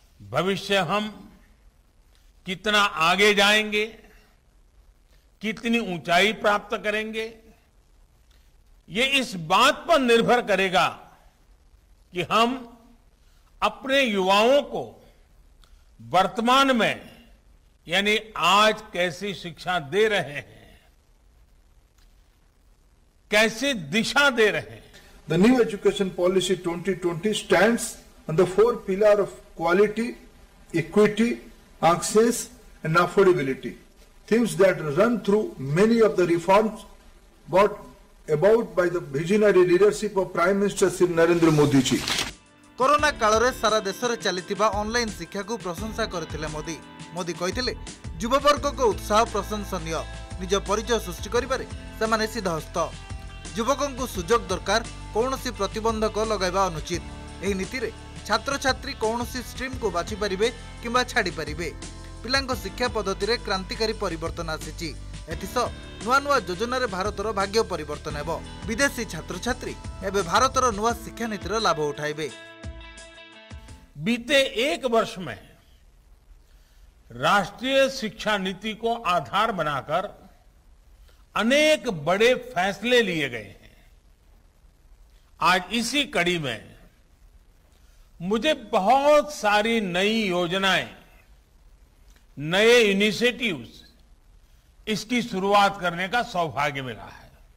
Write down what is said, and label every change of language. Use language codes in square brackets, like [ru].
[hi] भविष्य हम कितना आगे जाएंगे कितनी ऊंचाई प्राप्त करेंगे ये इस बात पर निर्भर करेगा कि हम अपने युवाओं को वर्तमान में यानी आज कैसी शिक्षा दे रहे हैं कैसी दिशा दे रहे हैं [en] The new education policy 2020 stands on the four pillars of quality, equity, access and affordability. Themes that run through many of the reforms brought about by the visionary leadership of Prime Minister Sri Narendra Modi ji. [or] Corona କାଳରେ ସାରା ଦେଶରେ ଚାଲିଥିବା online ଶିକ୍ଷାକୁ ପ୍ରଶଂସା କରିଥିଲେ ମୋଦି। ମୋଦି କହିଥିଲେ ଯୁବବର୍ଗଙ୍କ ଉତ୍ସାହ ପ୍ରଶଂସନୀୟ, ନିଜ ପରିଚୟ ସୃଷ୍ଟି କରିବାରେ ସେମାନେ ସିଧହସ୍ତ। ଯୁବକଙ୍କୁ ସୁଯୋଗ ଦରକାର, କୌଣସି ପ୍ରତିବନ୍ଧକ ଲଗାଇବା ଅନୁଚିତ। ଏହି ନୀତିରେ ଛାତ୍ରଛାତ୍ରୀ କୌଣସି ଷ୍ଟ୍ରିମ୍କୁ ବାଛିପାରିବେ କିମ୍ବା ଛାଡ଼ିପାରିବେ। ପିଲାଙ୍କ ଶିକ୍ଷା ପଦ୍ଧତିରେ କ୍ରାନ୍ତିକାରୀ ପରିବର୍ତ୍ତନ ଆସିଛି। ଏଥିସହ ନୂଆ ନୂଆ ଯୋଜନାରେ ଭାରତର ଭାଗ୍ୟ ପରିବର୍ତ୍ତନ ହେବ। ବିଦେଶୀ ଛାତ୍ରଛାତ୍ରୀ ଏବେ ଭାରତର ନୂଆ ଶିକ୍ଷାନୀତିର ଲାଭ ଉଠାଇବେ। [hi] बीते एक वर्ष में राष्ट्रीय शिक्षा नीति को आधार बनाकर अनेक बड़े फैसले लिए गए हैं। आज इसी कड़ी में मुझे बहुत सारी नई योजनाएं, नए इनिशिएटिव्स, इसकी शुरुआत करने का सौभाग्य मिला है।